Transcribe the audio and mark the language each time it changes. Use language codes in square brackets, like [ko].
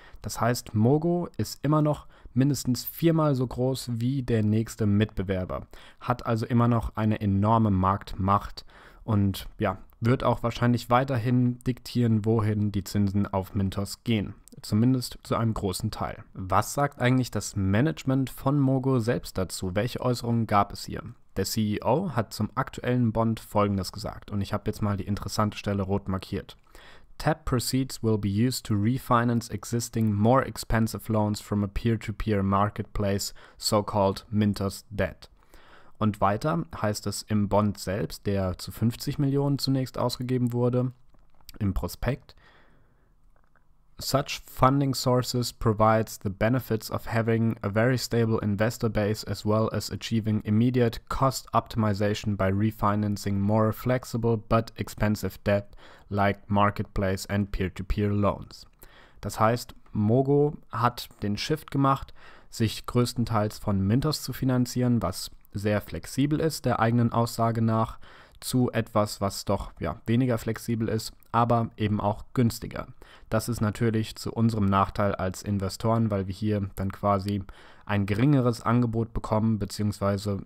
[de] Das heißt, Mogo ist immer noch mindestens viermal so groß wie der nächste Mitbewerber, hat also immer noch eine enorme Marktmacht und wird auch wahrscheinlich weiterhin diktieren, wohin die Zinsen auf Mintos gehen, zumindest zu einem großen Teil. Was sagt eigentlich das Management von Mogo selbst dazu? Welche Äußerungen gab es hier? Der CEO hat zum aktuellen Bond Folgendes gesagt und ich habe jetzt mal die interessante Stelle rot markiert. [en] Tap proceeds will be used to refinance existing more expensive loans from a peer-to-peer marketplace, so-called Mintos debt. [de] Und weiter heißt es im Bond selbst, der zu 50 Millionen zunächst ausgegeben wurde, im Prospekt. [en] Such funding sources provides the benefits of having a very stable investor base as well as achieving immediate cost optimization by refinancing more flexible but expensive debt like marketplace and peer-to-peer loans. [de] Das heißt, Mogo hat den Shift gemacht, sich größtenteils von Mintos zu finanzieren, was sehr flexibel ist, der eigenen Aussage nach, zu etwas, was doch weniger flexibel ist, aber eben auch günstiger. Das ist natürlich zu unserem Nachteil als Investoren, weil wir hier dann quasi ein geringeres Angebot bekommen bzw.